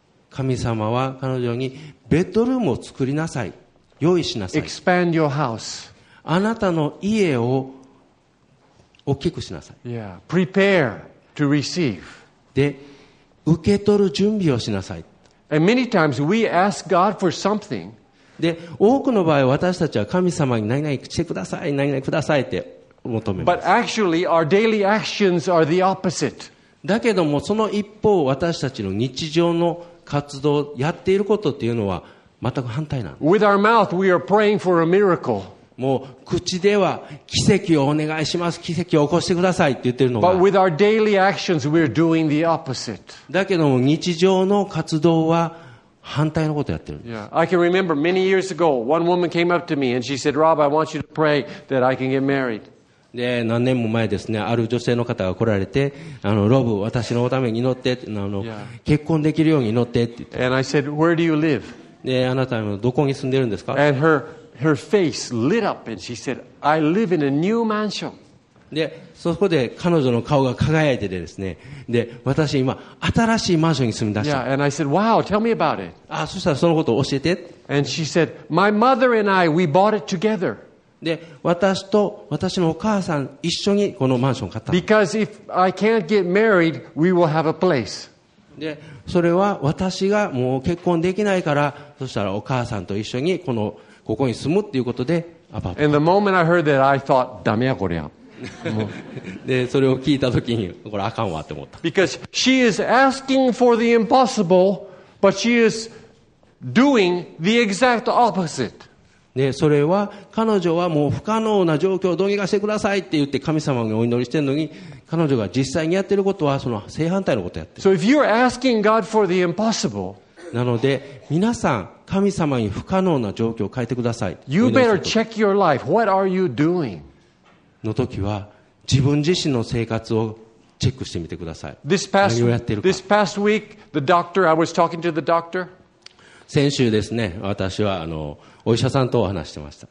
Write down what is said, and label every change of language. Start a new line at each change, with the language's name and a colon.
Japanese: 神様は彼女にベッドルームを作りなさい。用意しなさい。
English: Expand your house.
Japanese: あなたの家を大きくしなさい。
English: Yeah. Prepare to receive.
Japanese: で受け取る準備をしなさい。
English: And many times we ask God for something.
Japanese: で多くの場合私たちは神様に何々してください、何々くださいって求めます。
English: But actually our daily actions are the opposite.
Japanese: だけどもその一方私たちの日常の活動やっていることっていうのは全く反対なんです。
English: With our mouth we are praying for a miracle.
Japanese: もう口では奇跡をお願いします、奇跡を起こしてくださいって言ってるのが。
English: But with our daily actions, we're doing the opposite.
Japanese: だけども日常の活動は反対のことをやってるんです。
English: Yeah. I can remember many years ago, one woman came up to me and she said, Rob, I want you to pray that I can get married.
Japanese: で、何年も前ですね、ある女性の方が来られて、ロブ、私のために祈って、結婚できるように祈ってって言って。
English: And I said, Where do you live?
Japanese: で、あなたはどこに住んでるんですか?
English: And her face lit up and she said, I live in a new mansion.
Japanese: で、そこで彼女の顔が輝いててですね。で、私今、新しいマンションに住み出した。
English: Yeah, and I said, wow, tell me about it.
Japanese: あ、そしたらそのことを教えて。
English: And she said, my mother and I, we bought it together.
Japanese: で、私と私のお母さん一緒にこのマンションを買った。
English: Because if I can't get married, we will have a place.
Japanese: で、それは私がもう結婚できないから、そしたらお母さんと一緒にこのここに住むっていうことでアパート。
English: And the moment I heard that, I thought,
Japanese: ダメやこりゃ。でそれを聞いた時にこれあかんわって思った。
English: Because she is asking for the impossible, but she is doing the exact opposite.
Japanese: でそれは彼女はもう不可能な状況をどうにかしてくださいって言って神様にお祈りしてるのに、彼女が実際にやってることはその正反対のことをやってる。
English: So if you're asking God for the impossible,
Japanese: なので皆さん神様に不可能な状況を変えてください。
English: You better check your life. What are you doing?
Japanese: の時は自分自身の生活をチェックしてみてください。
English: This past,
Japanese: 何をやってるか。
English: This past week, the doctor, I was talking to the doctor.
Japanese: 先週ですね、私はお医者さんとお話してました。